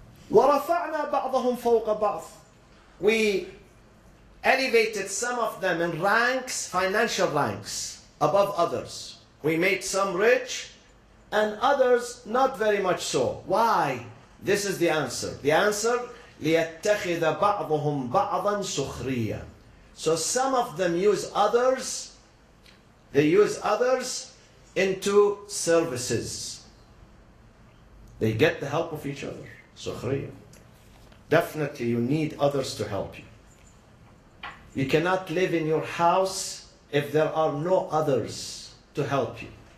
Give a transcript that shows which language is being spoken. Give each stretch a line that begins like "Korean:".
Arabic: وَرَفَعْنَا بَعْضَهُمْ فَوْقَ بَعْضٍ.
English: We elevated some of them in ranks, financial ranks, above others. We made some rich and others not very much so. Why? This is the answer. The answer,
Arabic: لِيَتَّخِذَ بَعْضُهُمْ بَعْضًا سُخْرِيًا.
English: So some of them use others, they use others into services. They get the help of each other.
Arabic: سُخْرِيًا.
English: Definitely, you need others to help you. You cannot live in your house if there are no others to help you.